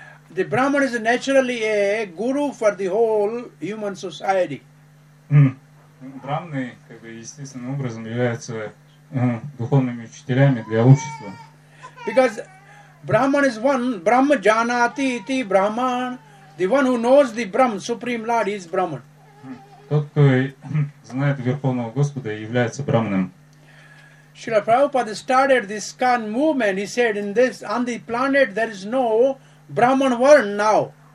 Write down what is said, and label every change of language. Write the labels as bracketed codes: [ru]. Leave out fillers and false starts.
[en] The Brahman is naturally a guru for the whole human society. [ru] Брахманы, как бы, естественным образом являются духовными учителями для общества. [en] Because Brahman is one, Brahma Janati iti Brahman, the one who knows the Brahman, Supreme Lord, is Brahman. [ru] Тот, кто знает Верховного Господа, является Брахманом. [en] Srila Prabhupada started this Iskcon movement. He said, "In this, on the planet, there is no Brahman world now.